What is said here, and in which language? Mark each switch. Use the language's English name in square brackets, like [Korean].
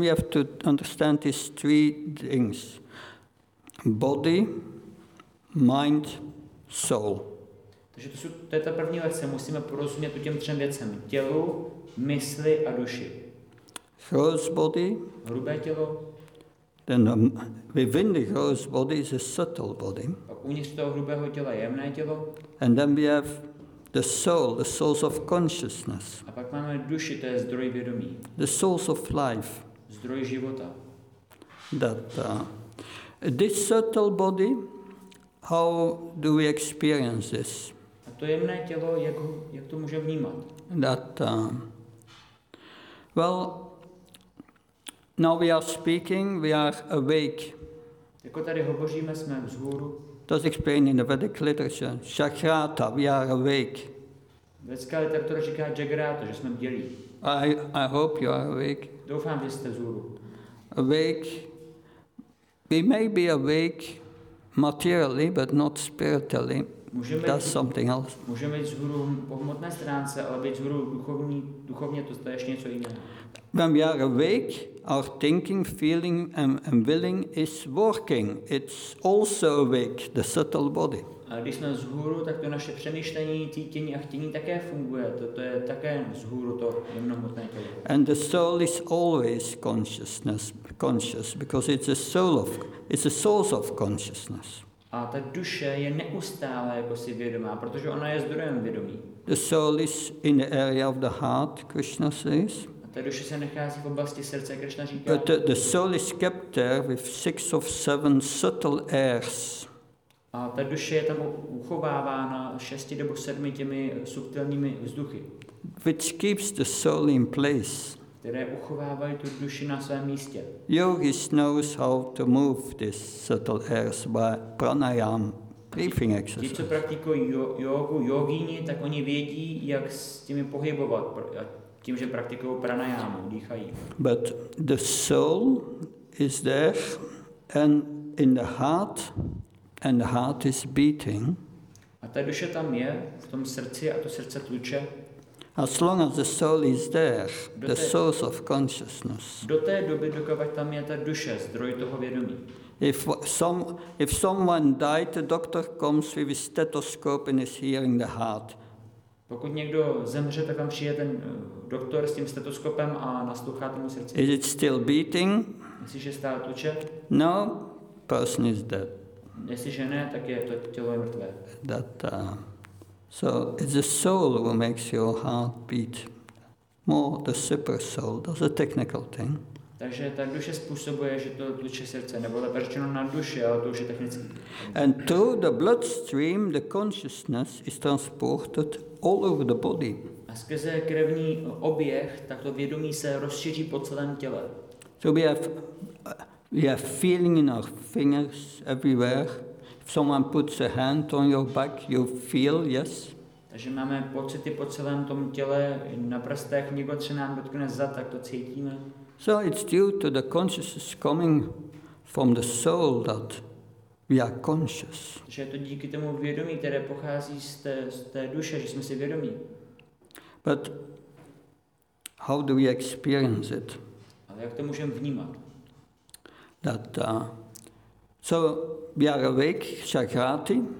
[English] We have to understand these three things: body, mind, soul. [Czech] Takže to je ta první lekce. Musíme porozumět těm třem věcem: tělu, mysli a duši. [English] Gross body. [Czech] Hrubé tělo. [English] Then within the gross body is a subtle body. [Czech] A uvnitř toho hrubého těla je jemné tělo. [English] And then we have the soul, the source of consciousness. [Czech] A pak máme duši, to je zdroj vědomí. [English] The source of life. [Czech] Zdroj života. [English] That this subtle body, how do we experience this? [Czech] A to jemné tělo, jak to může vnímat? [English] That well, now we are speaking, we are awake. [Czech] Jako tady hovoříme, jsme vzhůru. [English] That's explained in the Vedic literature. Shakrata, we are awake. [Czech] Vedická literatura říká Jagrata, že jsme bdělí. [English] I hope you are awake. [Czech] Doufám, že jste vzhůru. [English] Awake. We may be awake materially, but not spiritually. [Czech] Můžeme [English] That's something else. [Czech] Můžeme být vzhůru po hmotné stránce, ale být vzhůru duchovně, to je ještě něco jiného. [English] When we are awake, our thinking, feeling and willing is working. It's also awake, the subtle body. [Czech] A když jsme vzhůru, tak to naše přemýšlení, cítění a chtění také funguje. To je také vzhůru, to je mnohmotné tělo. [English] And the soul is always conscious, because it's a soul of, it's a source of consciousness. [Czech] A ta duše je neustále jako si vědomá, protože ona je zdrojem vědomí. [English] The soul is in the area of the heart, Krishna says. [Czech] Ta duše se nachází v oblasti srdce, Krishna říká. [English] But the soul is kept there with six of seven subtle airs. [Czech] A ta duše je tam uchovávána šesti nebo sedmi těmi subtilními vzduchy. [English] Which keeps the soul in place. [Czech] Které uchovávají tu duši na svém místě. [English] Yogis knows how to move these subtle airs by pranayama, breathing exercise. [Czech] Ti, co praktikují jogu, jogíni, tak oni vědí, jak s těmi pohybovat. Tím, že praktikují pranayama, dýchají. [English] But the soul is there and in the heart, and the heart is beating. [Czech] A ta duše tam je, v tom srdci, a to srdce tluče. [English] As long as the soul is there, the source of consciousness. [Czech] Do té doby, dokud tam je ta duše, zdroj toho vědomí. [English] If someone died, the doctor comes with a stethoscope and is hearing the heart. [Czech] Pokud někdo zemře, tak tam přijde ten doktor s tím stetoskopem a naslouchá tomu srdci. [English] Is it still beating? [Czech] Jestliže stále tuče? [English] No, person is dead. [Czech] Jestliže ne, tak je to tělo je mrtvé. [English] That, so it's the soul who makes your heart beat. More the super soul, that's a technical thing. [Czech] Takže ta duše způsobuje, že to tluče srdce, nebo to vrčeno na duši, ale to už je technický. [English] And through the bloodstream, the consciousness is transported all over the body. [Czech] A skrze krevní oběh, tak to vědomí se rozšíří po celém těle. [English] So we have feeling in our fingers everywhere. If someone puts a hand on your back, you feel, yes. [Czech] Takže máme pocity po celém tom těle, na prstech, někdo se nám dotkne zad, tak to cítíme. [English] So it's due to the consciousness coming from the soul that we are conscious. [Czech] Že je to díky tomu vědomí, které pochází z té duše, že jsme si vědomí. [English] But how do we experience it? [Czech] Ale jak to můžeme vnímat? [English] That so we are awake, chakrati.